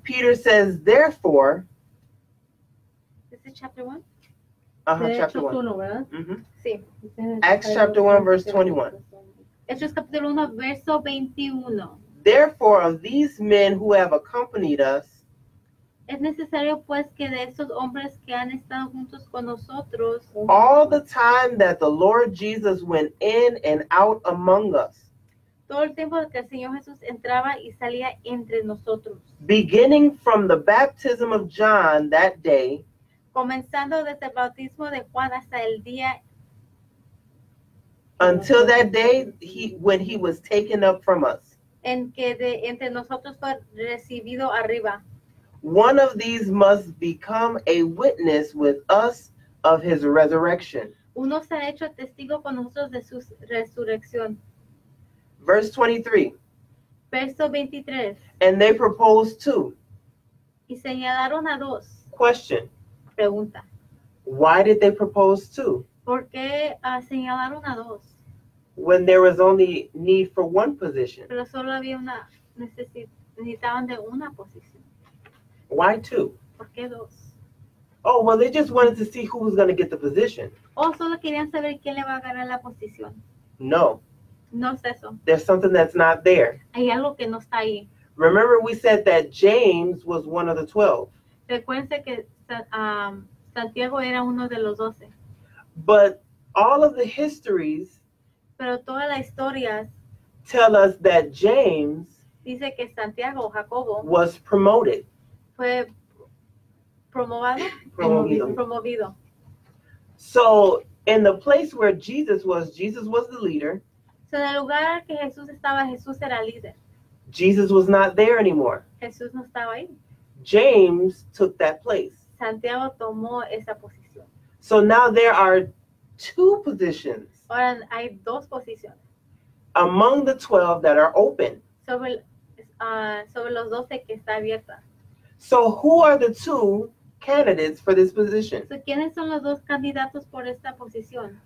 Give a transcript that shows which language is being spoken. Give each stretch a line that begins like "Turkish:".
English: Peter says, therefore. Acts chapter 1, verse 21. Therefore, of these men who have accompanied us,
Spanish: es necesario pues que de esos hombres que han estado juntos con nosotros,
English: all the time that the Lord Jesus went in and out among us,
Spanish: todo el tiempo que el Señor Jesús entraba y salía entre nosotros,
English: beginning from the baptism of John that day,
Spanish: comenzando desde el bautismo de Juan hasta el día.
English: Until that day when he was taken up from us.
Spanish: En que de entre nosotros fue recibido arriba.
English: One of these must become a witness with us of his resurrection.
Spanish: Uno se ha hecho testigo con nosotros de su resurrección.
English: Verse 23.
Spanish: Verso 23.
English: And they proposed two.
Spanish: Y señalaron a dos.
English: Question.
Spanish: Pregunta.
English: Why did they propose two?
Spanish: ¿Por qué, señalaron a dos?
English: When there was only need for one position.
Spanish: Pero solo había una necesitaban de una posición.
English: Why two?
Spanish: ¿Por qué dos?
English: Oh, well, they just wanted to see who was going to get the position.
Spanish: ¿O solo querían saber quién le va a ganar la posición?
English: No.
Spanish: No es eso.
English: There's something that's not there.
Spanish: Hay algo que no está ahí.
English: Remember we said that James was one of the 12.
Spanish: Recuerden que Santiago era uno de los 12.
English: But all of the histories,
Spanish: pero todas las historias,
English: tell us that James,
Spanish: dice que Santiago, Jacobo,
English: was promoted.
Spanish: Fue promovado. Promovido.
English: So in the place where Jesus was the leader.
Spanish: So en el lugar que Jesús estaba, Jesús era líder.
English: Jesus was not there anymore.
Spanish: Jesús no estaba ahí.
English: James took that place.
Spanish: Santiago tomó esa posición.
English: So now there are two positions.
Spanish: Ahora hay dos posiciones.
English: Among the 12 that are open.
Spanish: Sobre los 12 que está abierta.
English: So who are the two candidates for this position?
Spanish: So ¿quiénes son los dos candidatos por esta posición?